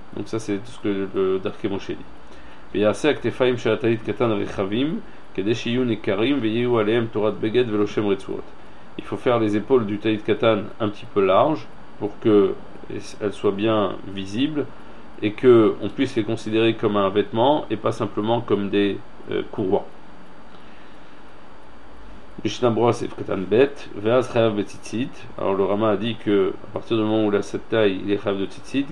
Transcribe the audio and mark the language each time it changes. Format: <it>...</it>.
<fr>Donc ça, c'est tout ce que le Darkei Moshe dit.</fr> <he>ויעשה הכתפיים של הטלית קטן רחבים כדי שיהיו ניכרים ויהיו עליהם תורת בגד ולא שם רצועות.</he> <fr>Il faut faire les épaules du talit katan un petit peu large pour que elles soient bien visibles et que on puisse les considérer comme un vêtement et pas simplement comme des courroies.</fr> <he>Mishnah Berurah sif katan bet ve'az chayav betzitzit.</he> <fr>Alors le Rama a dit que à partir du moment où il a cette taille, il est chayav de tzitzit.</fr>